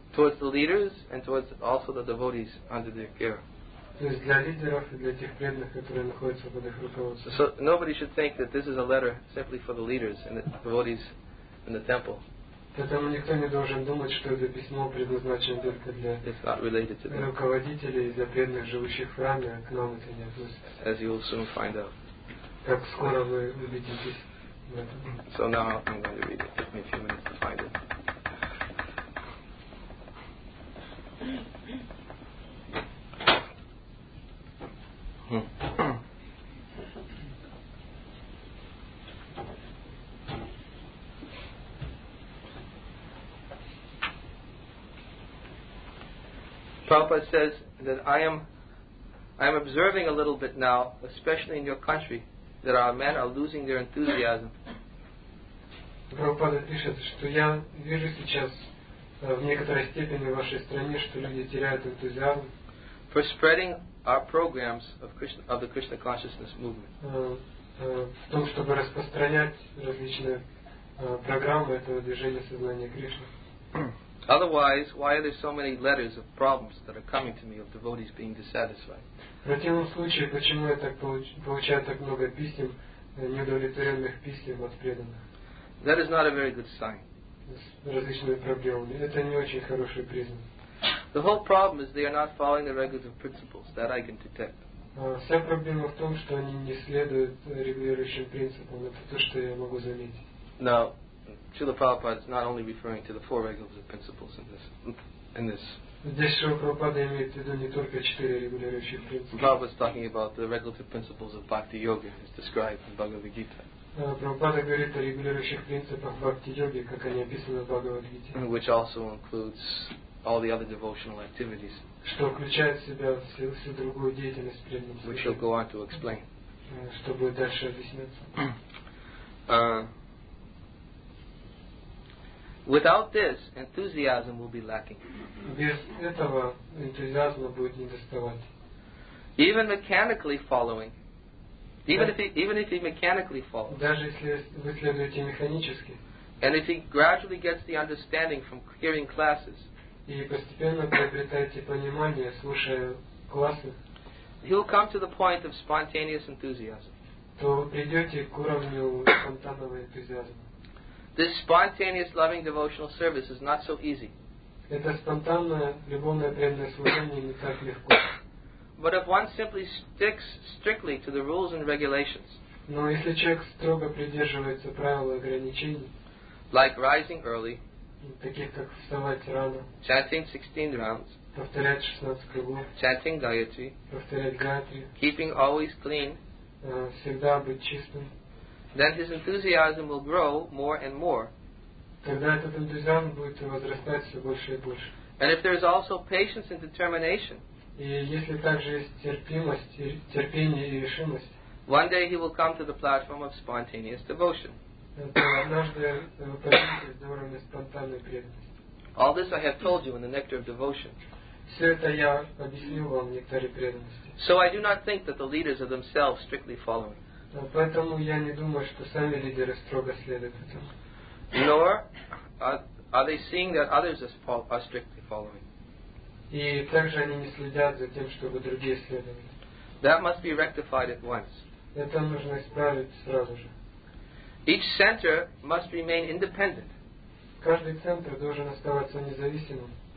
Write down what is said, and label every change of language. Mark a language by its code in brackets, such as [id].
[en] Towards the leaders and towards also the devotees under their care. [ru] То есть для лидеров и для тех преданных, которые находятся под их руководством. [en] So nobody should think that this is a letter simply for the leaders and the devotees in the temple. [ru] Поэтому никто не должен думать, что это письмо предназначено только для руководителей и для преданных, живущих в храме, а к нам это не относится. [en] As you will soon find out. [ru] Как скоро вы убедитесь. [en] So now I'm going to read it. Give me a few minutes to find it. Prabhupada says that I am observing a little bit now, especially in your country, that our men are losing their enthusiasm. [ru] Прабхупада пишет, что я вижу сейчас в некоторой степени в вашей стране, что люди теряют энтузиазм. [en] For spreading our programs of the Krishna consciousness movement. [ru] В том, чтобы распространять различные программы этого движения сознания Кришны. [en] Otherwise, why are there so many letters of problems that are coming to me of devotees being dissatisfied? [ru] В противном случае, почему я так получаю так много писем, неудовлетворенных писем от преданных? [en] That is not a very good sign. [ru] С различными проблемами. Это не очень хороший признак. [en] The whole problem is they are not following the regulative principles that I can detect. [ru] Вся проблема в том, что они не следуют регулирующим принципам. Это то, что я могу заметить. [en] Now, Srila Prabhupada is not only referring to the four regulative principles in this. [ru] Здесь Шрила Прабхупада имеет в виду не только четыре регулирующих принципа. [en] Prabhupada is talking about the regulative principles of Bhakti Yoga as described in Bhagavad Gita. [ru] Прабхупада говорит о регулирующих принципах Бхакти Йоги, как они описаны в Бхагавад Гите. [en] Which also includes all the other devotional activities. [ru] Что включает в себя всю другую деятельность преданных. [en] Which he'll go on to explain. [ru] Что будет дальше объясняться. [en] Without this, enthusiasm will be lacking. [ru] Без этого энтузиазма будет недоставать. [en] Even mechanically following, even if he mechanically follows. [ru] Даже если вы следуете механически. [en] And if he gradually gets the understanding from hearing classes. [ru] И постепенно приобретаете понимание, слушая классы. [en] He will come to the point of spontaneous enthusiasm. [ru] То вы придете к уровню спонтанного энтузиазма. [en] This spontaneous loving devotional service is not so easy. [ru] Это спонтанное любовное преданное служение не так легко. [en] But if one simply sticks strictly to the rules and regulations. [ru] Но если человек строго придерживается правил и ограничений. [en] Like rising early. [ru] Таких как вставать рано. [en] Chanting 16 rounds. [ru] Повторять 16 кругов. [en] Chanting Gayatri. [ru] Повторять Гаятри. [en] Keeping always clean. [ru] Всегда быть чистым. [en] Then his enthusiasm will grow more and more. [ru] Тогда этот энтузиазм будет возрастать все больше и больше. [en] And if there is also patience and determination. [ru] И если также есть терпимость, терпение и решимость. [en] One day he will come to the platform of spontaneous devotion. [ru] Однажды вы подойдете до уровня спонтанной преданности. [en] All this I have told you in the Nectar of Devotion. [ru] Все это я объяснил вам в Нектаре преданности. [en] So I do not think that the leaders are themselves strictly following. [ru] Поэтому я не думаю, что сами лидеры строго следуют этому. [en] Nor are they seeing that others are strictly following. [ru] И также они не следят за тем, чтобы другие следовали. [en] That must be rectified at once. [ru] Это нужно исправить сразу же. [en] Each center must remain independent. [ru] Каждый центр должен оставаться независимым.